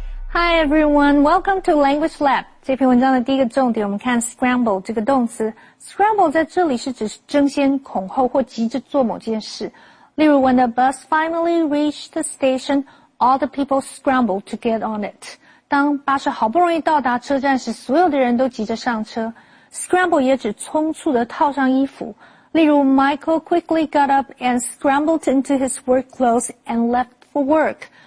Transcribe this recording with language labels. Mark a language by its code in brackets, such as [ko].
[en] Hi everyone, welcome to Language Lab. [zh] 这篇文章的第一个重点，我们看 scramble 这个动词。 Scramble 在这里是指争先恐后或急着做某件事。例如 [en] ,when the bus finally reached the station, all the people scrambled to get on it. [zh] 当巴士好不容易到达车站时，所有的人都急着上车。 Scramble 也指匆促地套上衣服。例如 [en] ,Michael quickly got up and scrambled into his work clothes and left for work.